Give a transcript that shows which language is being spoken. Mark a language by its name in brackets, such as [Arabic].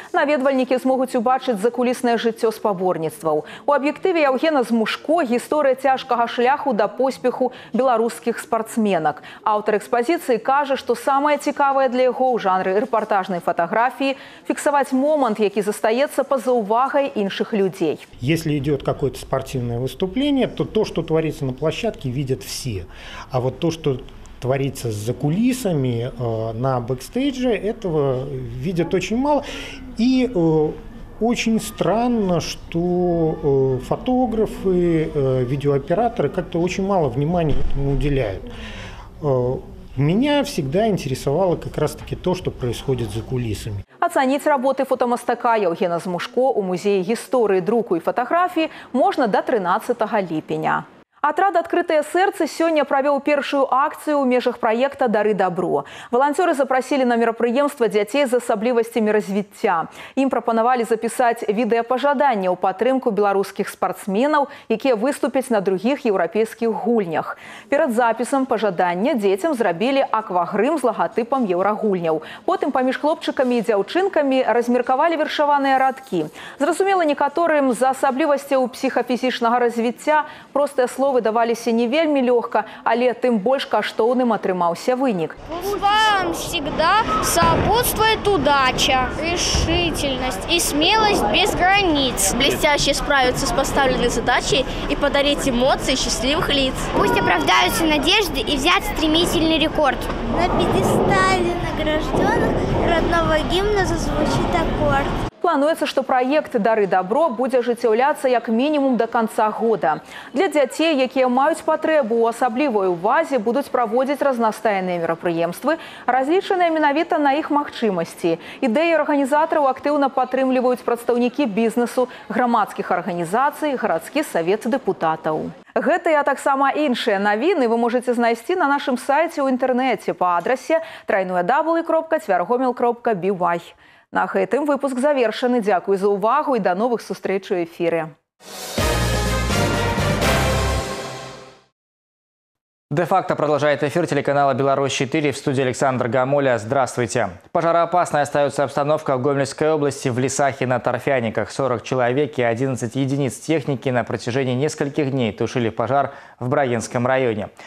[Belarusian] Наведвальнікі змогуць убачыць закуліснае жыццё спаборніцтваў. У аб'ектыве Яўгена Змушко гісторыя цяжкага шляху да поспеху беларускіх спартсменак. Аўтар экспазіцыі кажа, што самае цікавае для яго ў жанры рэпартажнай фатаграфіі – фіксаваць момант, які застаецца паза ўвагай іншых людзей. [Russian] Если идет какое-то спортивное выступление, то, что творится на площадке, видят все. А вот то, что творится за кулисами, на бэкстейдже, этого видят очень мало. И очень странно, что фотографы, видеооператоры как-то очень мало внимания этому уделяют. Меня всегда интересовало как раз-таки то, что происходит за кулисами. Оценить работы фотомастака Евгена Змушко у музея истории, друку и фотографии можно до 13 липеня. [Belarusian] Атрад «Открытое сердце» сёння правёў першую акцыю ў межах праекта «Дары дабро». Валанцёры запрасілі на мерапрыемства дзяцей з асаблівасцямі развіцця. Ім прапанавалі запісаць відэапажаданне ў падтрымку беларускіх спартсменаў, якія выступяць на другіх еўрапейскіх гульнях. Перад запісам пажадання дзецям зрабілі аквагрым з лагатыпам еўрагульняў. Потым паміж хлопчыкамі і дзяўчынкамі размеркавалі вершаваныя радкі. Зразумела, некаторым з асаблівасцяў псіхафізічнага развіцця проста словы даваліся не вельмі лёгка, але тым больш каштоўным атрымаўся вынік. [Russian] Вам всегда сопутствует удача, решительность и смелость без границ. Блестяще справиться с поставленной задачей и подарить эмоции счастливых лиц. Пусть оправдаются надежды и взять стремительный рекорд. На пьедестале награжденных родного гимна зазвучит аккорд. [Belarusian] Плануецца, што праект «Дары дабро» будзе ажыццяўляцца як мінімум да канца года. Для дзяцей, якія маюць патрэбу ў асаблівой увазе, будуць праводзіць разнастайныя мерапрыемствы, разлічаныя менавіта на іх магчымасці. Ідэі арганізатараў актыўна падтрымліваюць прадстаўнікі бізнесу, грамадскіх арганізацый, гарадскі савет дэпутатаў. Гэта я таксама іншыя навіны вы можаце знайсці на нашым сайце ў інтэрнэце па адрасе www.tvergomil.by. На гэтым выпуск завершаны. Дзякуй за ўвагу і да новых сустрэч у эфіры. [Russian] Де-факто продолжает эфир телеканала «Беларусь-4» в студии Александр Гамоля. Здравствуйте. Пожароопасная остается обстановка в Гомельской области в лесах и на торфяниках. 40 человек и 11 единиц техники на протяжении нескольких дней тушили пожар в Брагинском районе.